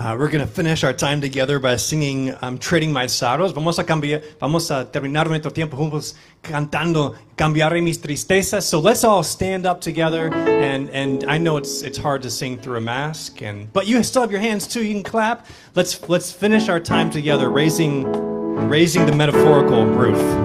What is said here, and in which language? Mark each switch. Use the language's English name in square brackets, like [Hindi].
[English] Going to finish our time together by singing I'm Trading My Sorrows. [Spanish] Vamos a terminar nuestro tiempo juntos cantando Cambiaré Mis Tristezas. [English] So let's all stand up together, and I know it's hard to sing through a mask, but you still have your hands too. You can clap. Let's finish our time together raising the metaphorical roof.